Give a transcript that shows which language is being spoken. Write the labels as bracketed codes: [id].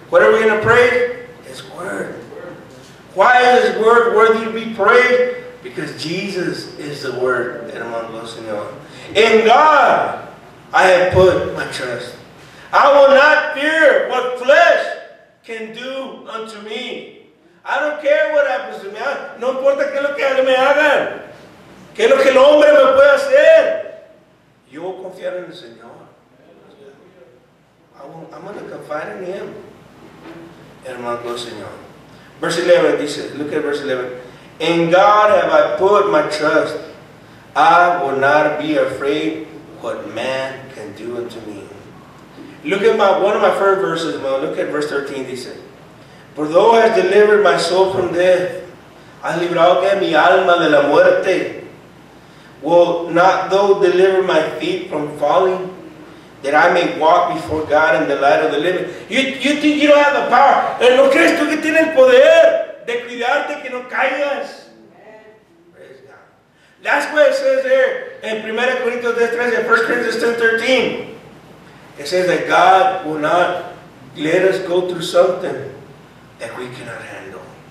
[en] What are we going to praise? His word. Why is his word worthy to be praised? Because Jesus is the word, hermano Señor. In God, I have put my trust. I will not fear what flesh can do unto me. I don't care what happens to me. [es] No importa que lo que me hagan. Que lo que el hombre me pueda hacer. Yo voy a confiar en el Señor. [en] I'm going to confide in him. Hermano Señor. Verse 11 dice, look at verse 11. In God have I put my trust. I will not be afraid what man can do unto me. Look at one of my first verses, man. Look at verse 13. He said, "For thou hast delivered my soul from death, [es] has librado que mi alma de la muerte. [en] Will not thou deliver my feet from falling, that I may walk before God in the light of the living?" You think you don't have the power? [es] ¿En lo crees tú que tiene el poder de cuidarte que no caigas? [en] Praise God. That's what it says there in 1 Corinthians 13 and 1 Corinthians 10:13. It says that God will not let us go through something that we cannot handle.